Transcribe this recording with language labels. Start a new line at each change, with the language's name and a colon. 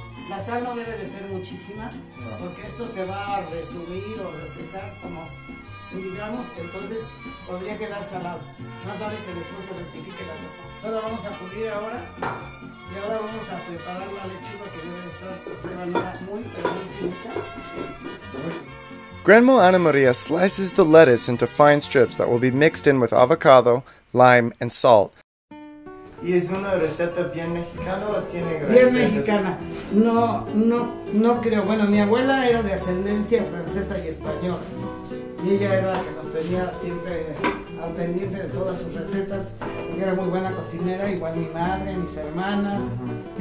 Spanish: La sal no debe de ser muchísima, porque esto se va a resumir o resecar como digamos, entonces podría quedar salado. Más vale que después se rectifique la sazón. Ahora vamos a cubrir ahora y ahora vamos a preparar la lechuga que debe estar de manera muy, pero muy finita.
English: Grandma Ana María slices the lettuce into fine strips that will be mixed in with avocado, lime, and salt.
Spanish: ¿Y es una receta bien mexicana o tiene grandes? Bien mexicana. No creo. Bueno, mi abuela era de ascendencia francesa y española. Y ella era la que nos tenía siempre al pendiente de todas sus recetas. Ella era muy buena cocinera, igual mi madre, mis hermanas. Uh-huh.